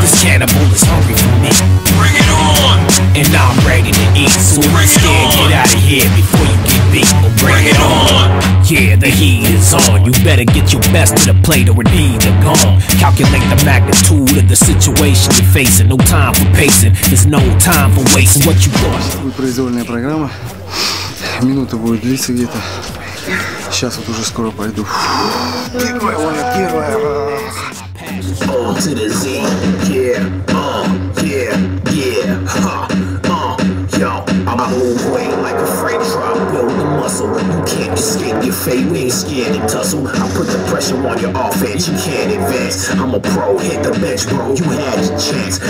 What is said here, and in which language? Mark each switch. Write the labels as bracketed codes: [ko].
[en] This cannibal is hungry for me. Bring it on. And now I'm ready to eat. So if you're scared, get out of here before you get beat. Well, bring it on. Yeah, the heat is on. You better get your best to the plate or indeed you're gone. Calculate the magnitude of the situation you're facing. No time for pacing. There's no time for wasting. What you want? [ru] Будет произвольная программа. Минута будет длиться где-то. Сейчас вот уже скоро пойду. Первая воля, первая. [en] Yeah, yeah, yeah, yo, I'm a whole way like a freak. escape your fate, we ain't scared to tussle. I'll put the pressure on your offense, you can't advance. I'm a pro, hit the bench, bro, you had your chance.